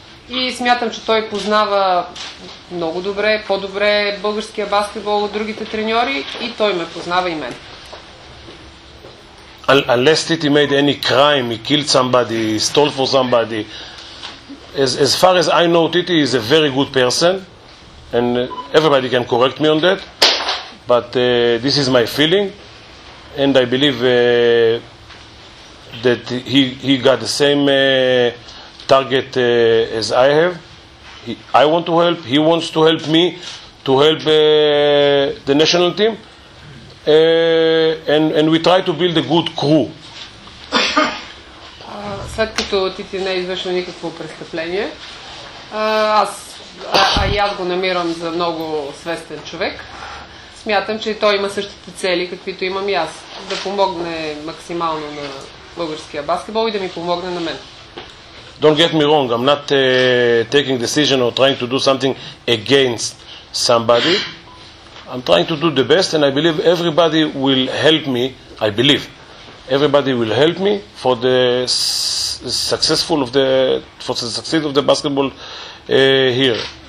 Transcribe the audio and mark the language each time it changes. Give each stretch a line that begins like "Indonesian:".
Bulgarian: И смятам, че той познава много добре, по-добре българския баскетбол от другите треньори и той ме познава и мен.
English: Unless Titi made any crime, he killed somebody, he stole for somebody. As far as I know, Titi is a very good person and everybody can correct me on that. But this is my feeling and I believe that he got the same target as I have. I want to help, he wants to help me to help the national team and we try to build a good crew.
Bulgarian: След като Тити не е извършил никакво престъпление, аз го намирам за много свестен човек. Смятам, че той има същите цели, каквито имам и аз. Да помогне максимално на българския баскетбол и да ми помогне на мен.
English: Don't get me wrong, I'm not taking decision or trying to do something against somebody. I'm trying to do the best and I believe everybody will help me, I believe. Everybody will help me for the successful of the for the success of the basketball here.